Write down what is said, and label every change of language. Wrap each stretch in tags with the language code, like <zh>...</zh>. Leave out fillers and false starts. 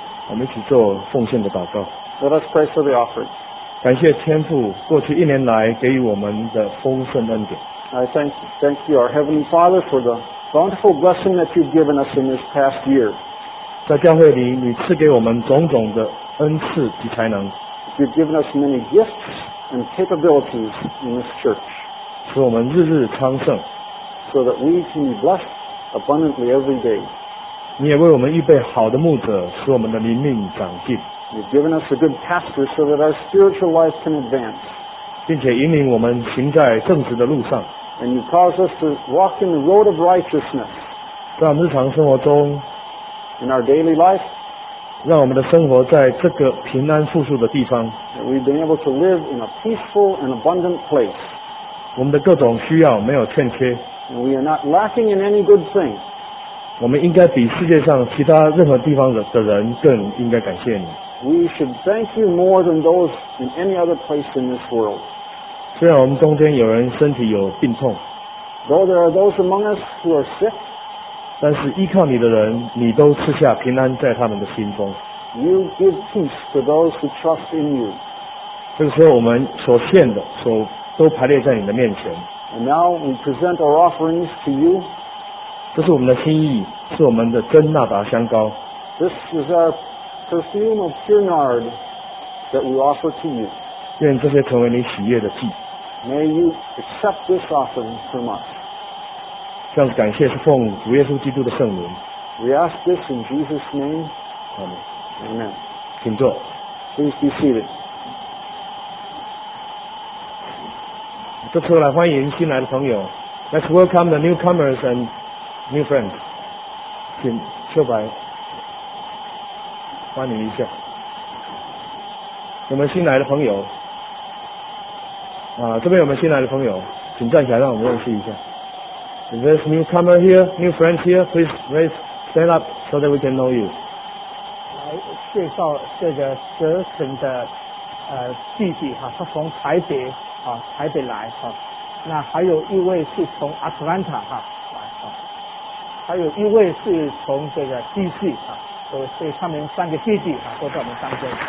<zh>我们一起做奉献的祷告。</zh> <en>Let us pray for the offering.</en> <zh>感谢天父过去一年来给予我们的丰盛恩典。</zh> <en>I thank you, our Heavenly Father, for the bountiful blessing that you've given us in this past year.</en> <zh>在教会里，你赐给我们种种的恩赐及才能。</zh> <en>You've given us many gifts and capabilities in this church.</en> <zh>使我们日日昌盛。</zh> <en>So that we can be blessed abundantly every day.</en> <zh>你也为我们预备好的牧者，使我们的灵命长进。</zh> <en>You've given us a good pastor so that our spiritual life can advance.</en> <zh>并且引领我们行在正直的路上。</zh> <en>And you cause us to walk in the road of righteousness.</en> <zh>在我们日常生活中。</zh> <en>In our daily life.</en> <zh>让我们的生活在这个平安富庶的地方。</zh> <en>That we've been able to live in a peaceful and abundant place.</en> <zh>我们的各种需要没有欠缺。</zh> <en>And we are not lacking in any good thing.</en> <zh>我们应该比世界上其他任何地方的人更应该感谢你。</zh> <en>We should thank you more than those in any other place in this world.</en> <zh>虽然我们中间有人身体有病痛。</zh> <en>Though there are those among us who are sick.</en> <zh>但是依靠你的人，你都赐下平安在他们的心中。</zh> <en>You give peace to those who trust in you.</en> <zh>这个时候我们所献的，所都排列在你的面前。</zh> <en>And now we present our offerings to you.</en> <zh>这是我们的心意，是我们的真纳达香膏。</zh> <en>This is our perfume of pure nard that we offer to you.</en> <zh>愿这些成为你喜悦的祭。</zh> <en>May you accept this offering from us.</en> <zh>这样子感谢是奉主耶稣基督的圣名。</zh> <en>We ask this in Jesus' name. Amen. Amen.</en> <zh>请坐。</zh> <en>Please be seated.</en> <zh>这次来欢迎新来的朋友。</zh> <en>Let's welcome the newcomers and. New friend,</en> <zh>请秋白欢迎一下。我们新来的朋友，这边我们新来的朋友，请站起来让我们认识一下。</zh> <en>If there's newcomer here, new friend here, please raise, stand up so that we can know you.</en> <zh>来介绍这个哲成的弟弟哈，他从台北啊台北来哈，那还有一位是从 Atlanta 哈。还有一位是从这个 DC 啊，所以他们三个弟弟啊都在我们当中。</zh>